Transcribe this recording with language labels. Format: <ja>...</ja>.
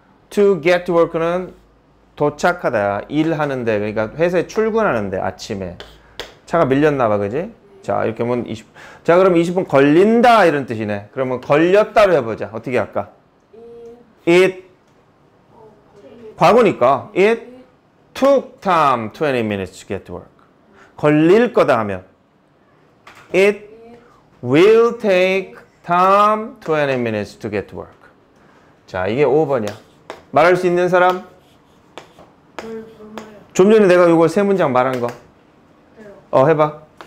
<en>To get to work는</en> <ko>도착하다. 일하는데. 그러니까 회사에 출근하는데 아침에. 차가 밀렸나 봐. 그지? 자, 이렇게 하면 20분. 자, 그럼 20분 걸린다 이런 뜻이네. 그러면 걸렸다로 해보자. 어떻게 할까? It 과거니까.</ko> <en>It took Tom 20 minutes to get to work.</en> <ko>걸릴 거다 하면</ko> <en>It will take Tom 20 minutes to get to work.</en> <ko>자, 이게 5번이야. 말할 수 있는 사람? 좀 전에 내가 이거 세 문장 말한 거 해봐.</ko>